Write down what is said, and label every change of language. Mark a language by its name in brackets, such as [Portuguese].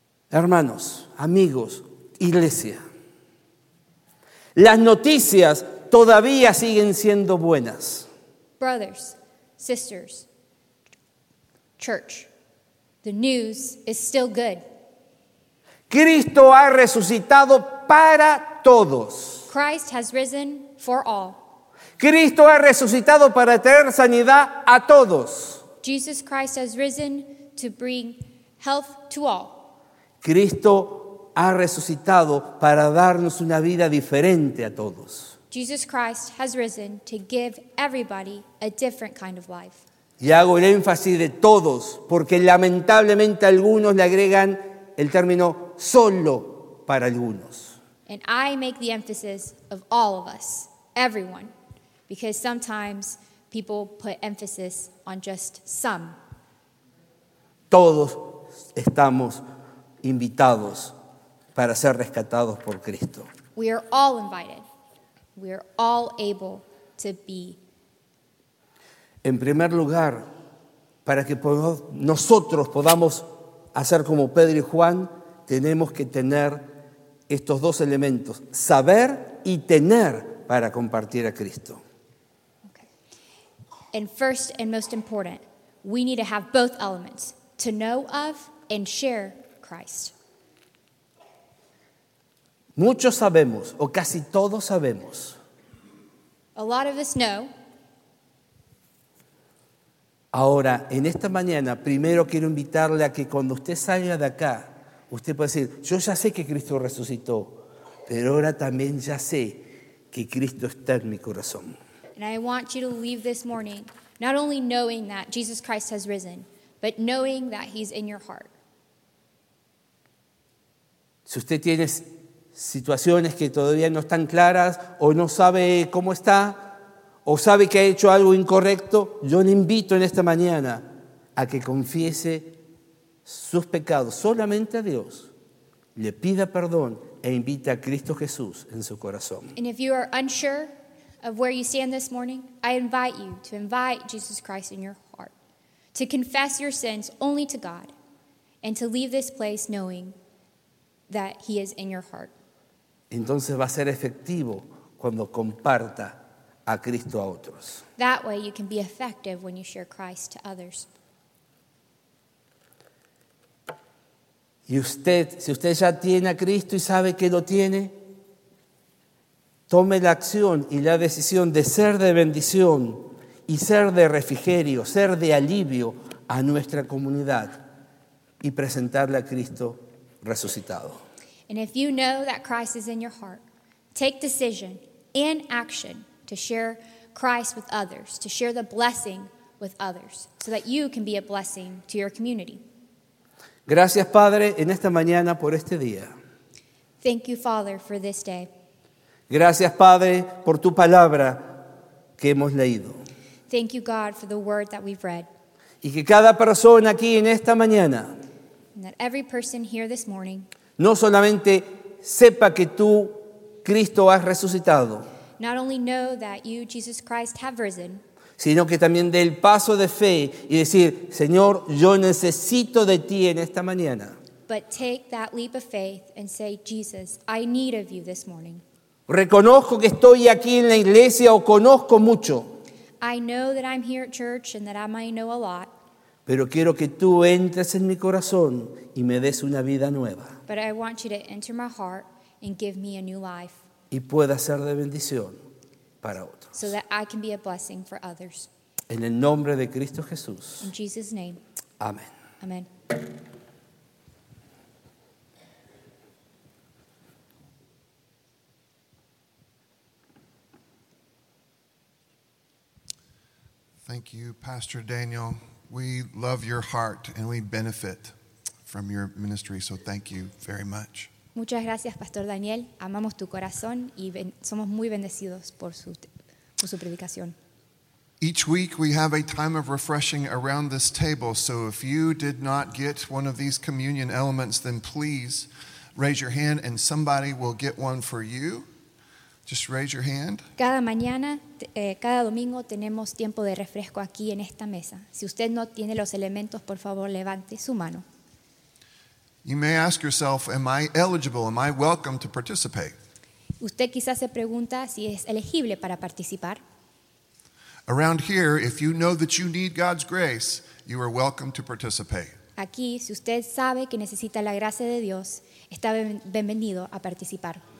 [Spanish] Hermanos, amigos, iglesia, las noticias todavía siguen siendo buenas. [English] Brothers, sisters, church, the news is still good. [Spanish] Cristo ha resucitado para todos. [English] Christ has risen for all. [Spanish] Cristo ha resucitado para traer sanidad a todos. [English] Jesus Christ has risen to bring health to all. [Spanish] Cristo ha resucitado para darnos una vida diferente a todos. [English] Jesus Christ has risen to give everybody a different kind of life. [Spanish] Y hago el énfasis de todos, porque lamentablemente algunos le agregan el término solo para algunos. [English] And I make the emphasis of all of us, everyone, because sometimes people put emphasis on just some. [Spanish] Todos estamos invitados para ser rescatados por Cristo. [English] We are all invited. We are all able to be. [Spanish] En primer lugar, para que nosotros podamos hacer como Pedro y Juan, tenemos que tener estos dos elementos, saber y tener para compartir a Cristo. [English] Okay. And first and most important, we need to have both elements, to know of and share Christ. [Spanish] Muchos sabemos, o casi todos sabemos. [English] A lot of us know. [Spanish] Ahora, en esta mañana, primero quiero invitarle a que cuando usted salga de acá, usted pueda decir, yo ya sé que Cristo resucitó, pero ahora también ya sé que Cristo está en mi corazón. [English] And I want you to leave this morning, not only knowing that Jesus Christ has risen, but knowing that he's in your heart. [Spanish] Si usted tiene situaciones que todavía no están claras o no sabe cómo está o sabe que ha hecho algo incorrecto, yo le invito en esta mañana a que confiese sus pecados solamente a Dios le pida perdón e invite a Cristo Jesús en su corazón. [English] And if you are unsure of where you stand this morning, I invite you to invite Jesus Christ in your heart, to confess your sins only to God, and to leave this place knowing that he is in your heart. [Spanish] Entonces va a ser efectivo cuando comparta a Cristo a otros. [English] That way you can be effective when you share Christ to others. [Spanish] Y usted, si usted ya tiene a Cristo y sabe que lo tiene, tome la acción y la decisión de ser de bendición y ser de refrigerio, ser de alivio a nuestra comunidad y presentarle a Cristo resucitado. [English] And if you know that Christ is in your heart, take decision and action to share Christ with others, to share the blessing with others, so that you can be a blessing to your community. [Spanish] Gracias, Padre, en esta mañana por este día. [English] Thank you, Father, for this day. [Spanish] Gracias, Padre, por tu palabra que hemos leído. [English] Thank you, God, for the word that we've read. [Spanish] Y que cada persona aquí en esta mañana, [English] and that every person here this morning, [Spanish] no solamente sepa que tú, Cristo, has resucitado, [English] not only know that you, Jesus Christ, have risen, [Spanish] sino que también dé el paso de fe y decir, Señor, yo necesito de ti en esta mañana. [English] But take that leap of faith and say, Jesus, I need of you this morning. [Spanish] Reconozco que estoy aquí en la iglesia o conozco mucho. [English] I know that I'm here at church and that I might know a lot. [Spanish] Pero quiero que tú entres en mi corazón y me des una vida nueva. [English] But I want you to enter my heart and give me a new life. [Spanish] Y pueda ser de bendición para otros. [English] So that I can be a blessing for others. [Spanish] En el nombre de Cristo Jesús. [English] In Jesus' name. [Spanish] Amén. Amén. [English] Thank you, Pastor Daniel. We love your heart and we benefit from your ministry, so thank you very much. [Spanish] Muchas gracias, Pastor Daniel. Amamos tu corazón y somos muy bendecidos por su predicación. [English] Each week we have a time of refreshing around this table, so if you did not get one of these communion elements, then please raise your hand and somebody will get one for you. Just raise your hand. [Spanish] Cada mañana, cada domingo tenemos tiempo de refresco aquí en esta mesa. Si usted no tiene los elementos, por favor, levante su mano. [English] You may ask yourself, am I eligible? Am I welcome to participate? [Spanish] Usted quizás se pregunta si es elegible para participar. [English] Around here, if you know that you need God's grace, you are welcome to participate. [Spanish] Aquí, si usted sabe que necesita la gracia de Dios, está bienvenido a participar.